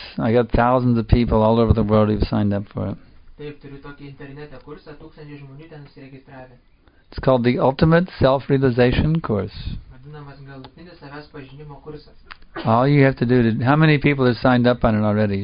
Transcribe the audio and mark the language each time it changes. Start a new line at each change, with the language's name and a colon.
English: I got thousands of people all over the world who have signed up for it.
Lithuanian: Taip, turiu tokį interneto kursą, tūkstančiai žmonių ten užsiregistravę.
English: It's called the Ultimate Self-Realization Course.
Lithuanian: Vadinamas galutinis savęs pažinimo kursas.
English: All you have to do is, how many people have signed up on it already?